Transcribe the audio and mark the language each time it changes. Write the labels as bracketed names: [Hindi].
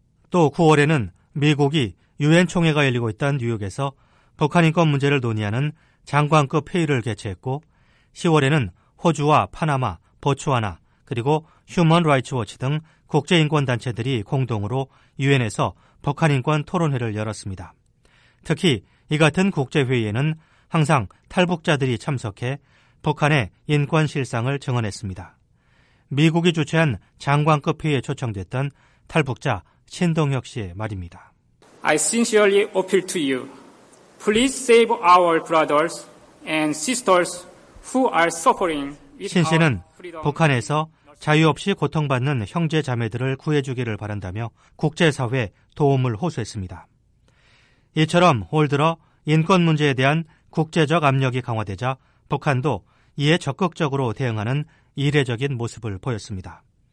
[Korean] 또 9월에는 미국이 유엔 총회가 열리고 있던 뉴욕에서 북한 인권 문제를 논의하는 장관급 회의를 개최했고 10월에는 호주와 파나마, 보츠와나 그리고 휴먼 라이츠 워치 등 국제인권단체들이 공동으로 유엔에서 북한 인권 토론회를 열었습니다. 특히 이 같은 국제회의에는 항상 탈북자들이 참석해 북한의 인권 실상을 증언했습니다. 미국이 주최한 장관급 회의에 초청됐던 탈북자 신동혁 씨의 말입니다. [English] I sincerely appeal to you. Please save our brothers and sisters who are suffering. [Korean] 신 씨는 북한에서 자유 없이 고통받는 형제 자매들을 구해주기를 바란다며 국제사회에 도움을 호소했습니다. 이처럼 올 들어 인권 문제에 대한 국제적 압력이 강화되자 북한도 이에 적극적으로 대응하는 이례적인 모습을 보였습니다.